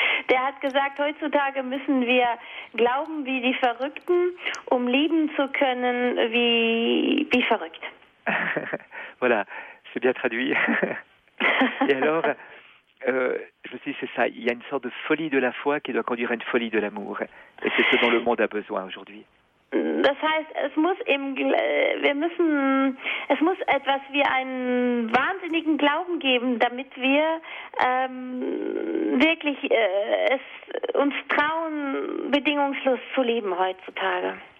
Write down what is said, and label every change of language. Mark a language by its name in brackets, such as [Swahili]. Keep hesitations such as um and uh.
[German] der hat gesagt, heutzutage müssen wir glauben wie die Verrückten, um lieben zu können wie, wie verrückt. [French] voilà, c'est bien traduit. Et alors, euh, je me suis dit C'est ça, il y a une sorte de folie de la foi qui doit conduire à une folie de l'amour. Et c'est ce dont le monde a besoin aujourd'hui. [German] Das heißt, es muss im, Gl- äh, wir müssen, es muss etwas wie einen wahnsinnigen Glauben geben, damit wir ähm, wirklich äh, es uns trauen, bedingungslos zu lieben heutzutage.